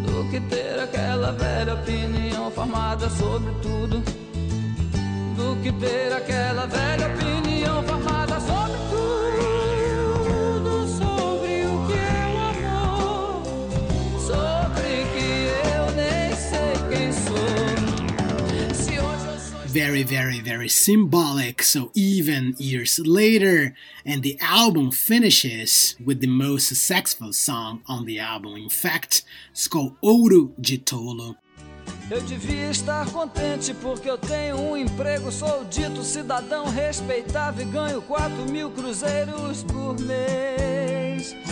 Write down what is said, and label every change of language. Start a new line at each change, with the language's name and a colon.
Portuguese: Que ter aquela velha opinião formada sobre tudo. Do que ter aquela velha opinião formada sobre tudo. Sobre o que é o amor. Sobre que eu nem sei quem sou. Se hoje eu sou.
English: Very, very, very symbolic. So even years later, and the album finishes with the most successful song on the album. In fact, it's called Ouro de Tolo.
Portuguese: Eu devia estar contente porque eu tenho emprego. Sou dito cidadão respeitável e ganho 4,000 cruzeiros por mês.